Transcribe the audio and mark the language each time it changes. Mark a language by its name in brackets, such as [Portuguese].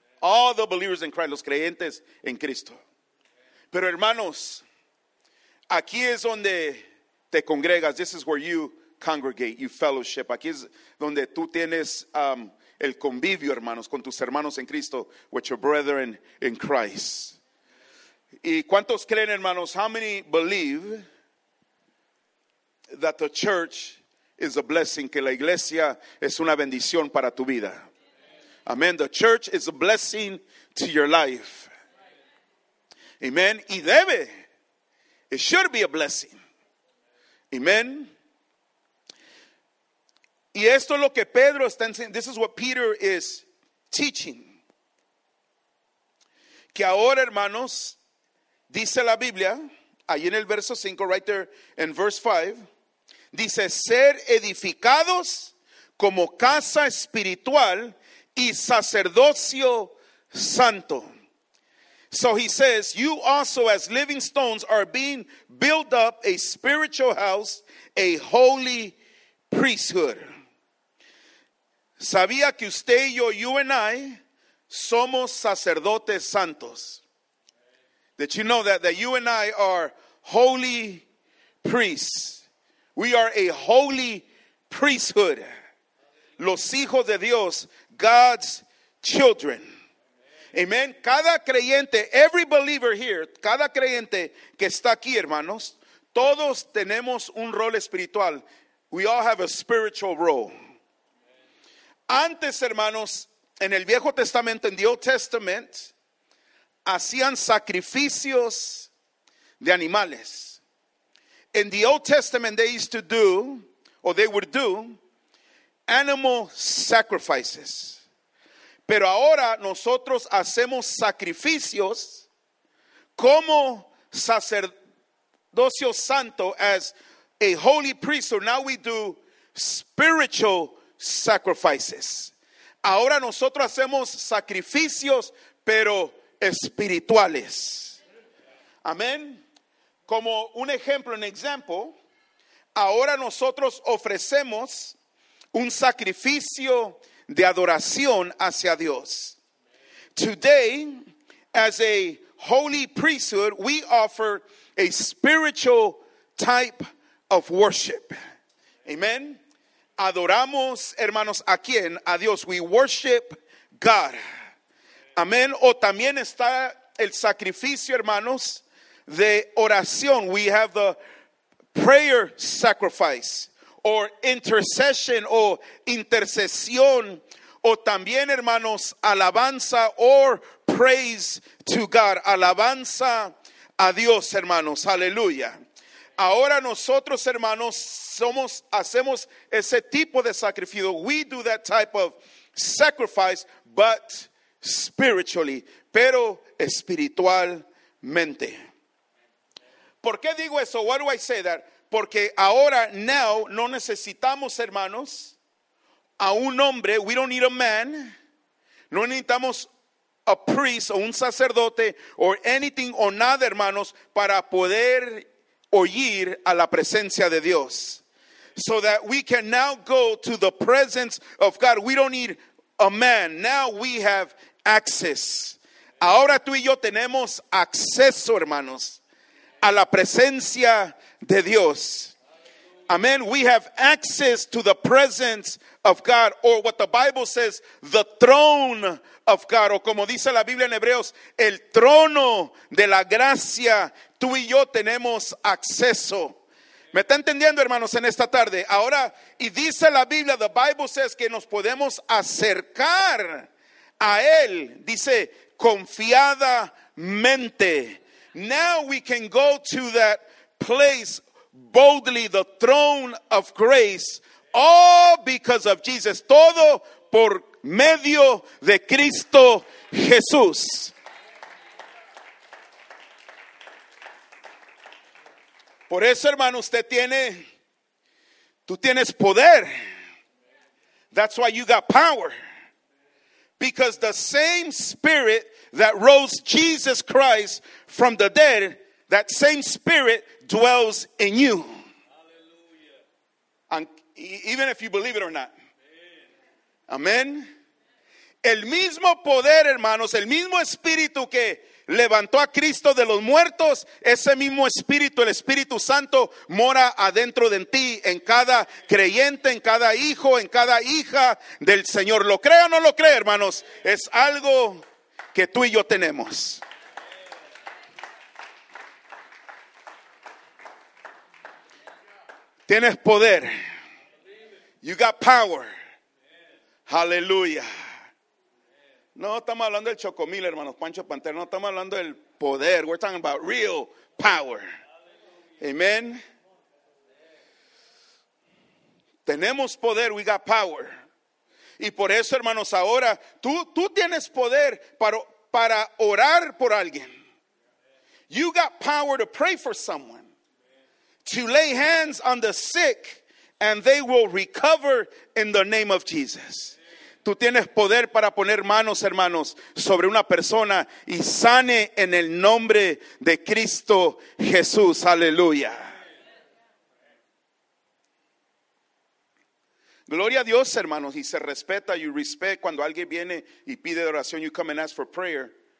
[English] All the believers in Christ, [Spanish] los creyentes en Cristo. Pero hermanos, aquí es donde te congregas, [English] this is where you congregate, you fellowship. [Spanish] Aquí es donde tú tienes... el convivio, hermanos, con tus hermanos en Cristo, [English] with your brethren in Christ. [Spanish] ¿Y cuántos creen, hermanos? [English] How many believe that the church is a blessing? [Spanish] Que la iglesia es una bendición para tu vida. Amen. [English] The church is a blessing to your life. Amen. [Spanish] Y debe. [English] It should be a blessing. Amen. [Spanish] Y esto es lo que Pedro está enseñando. [English] This is what Peter is teaching. [Spanish] Que ahora, hermanos, dice la Biblia, ahí en el verso 5, [English] right there in verse 5, [Spanish] dice, ser edificados como casa espiritual y sacerdocio santo. [English] So he says, you also as living stones are being built up a spiritual house, a holy priesthood. [Spanish] Sabía que usted y yo, [English] you and I, [Spanish] somos sacerdotes santos. [English] That you know that you and I are holy priests. We are a holy priesthood. [Spanish] Los hijos de Dios, [English] God's children. [Spanish] Amen. Cada creyente, [English] every believer here, [Spanish] cada creyente que está aquí, hermanos, todos tenemos un rol espiritual. [English] We all have a spiritual role. [Spanish] Antes, hermanos, en el Viejo Testamento, en [English] the Old Testament, [Spanish] hacían sacrificios de animales. [English] In the Old Testament, they used to do, or they would do, animal sacrifices. [Spanish] Pero ahora nosotros hacemos sacrificios como sacerdocio santo, [English] as a holy priest. So now we do spiritual sacrifices. [Spanish] Ahora nosotros hacemos sacrificios, pero espirituales. Amén. Como un ejemplo, [English] an example, [Spanish] ahora nosotros ofrecemos un sacrificio de adoración hacia Dios. [English] Today, as a holy priesthood, we offer a spiritual type of worship. Amén. [Spanish] Adoramos, hermanos, ¿a quién? A Dios. [English] We worship God. [Spanish] Amén. O también está el sacrificio, hermanos, de oración. [English] We have the prayer sacrifice or intercession or intercesión. [Spanish] O también, hermanos, alabanza [English] or praise to God. [Spanish] Alabanza a Dios, hermanos. Aleluya. Ahora nosotros, hermanos, hacemos ese tipo de sacrificio. [English] We do that type of sacrifice, but spiritually, [Spanish] pero espiritualmente. ¿Por qué digo eso? [English] Why do I say that? [Spanish] Porque ahora, now, no necesitamos, hermanos, a un hombre. [English] We don't need a man. [Spanish] No necesitamos a priest o un sacerdote [English] or anything [Spanish] or nada, hermanos, para poder oír a la presencia de Dios. [English] So that we can now go to the presence of God. We don't need a man. Now we have access. [Spanish] Ahora tú y yo tenemos acceso, hermanos, a la presencia de Dios. [English] Amen. We have access to the presence of God, or what the Bible says, the throne of God, [Spanish] o como dice la Biblia en Hebreos, el trono de la gracia. Tú y yo tenemos acceso. ¿Me está entendiendo, hermanos, en esta tarde? Ahora, y dice la Biblia, [English] the Bible says [Spanish] que nos podemos acercar a él, dice, confiadamente. [English] Now we can go to that place boldly, the throne of grace, all because of Jesus. [Spanish] Todo por medio de Cristo Jesús. Por eso, hermano, tú tienes poder. [English] That's why you got power. Because the same spirit that rose Jesus Christ from the dead, that same spirit dwells in you. Hallelujah. Even if you believe it or not. Amen. [Spanish] El mismo poder, hermanos, el mismo espíritu que levantó a Cristo de los muertos, ese mismo espíritu, el Espíritu Santo, mora adentro de ti, en cada creyente, en cada hijo, en cada hija del Señor. ¿Lo cree o no lo cree, hermanos? Es algo que tú y yo tenemos. Tienes poder. [English] You got power. Hallelujah. [Spanish] No estamos hablando del chocomil, hermanos Pancho Pantera. No estamos hablando del poder. [English] We're talking about real power. Amen. [Spanish] Tenemos poder. [English] We got power. [Spanish] Y por eso, hermanos, ahora tú tienes poder para orar por alguien. [English] You got power to pray for someone. To lay hands on the sick and they will recover in the name of Jesus. [Spanish] Tú tienes poder para poner manos, hermanos, sobre una persona y sane en el nombre de Cristo Jesús. Aleluya. Gloria a Dios, hermanos, y se respeta, [English] you respect [Spanish] cuando alguien viene y pide oración, [English] you come and ask for prayer.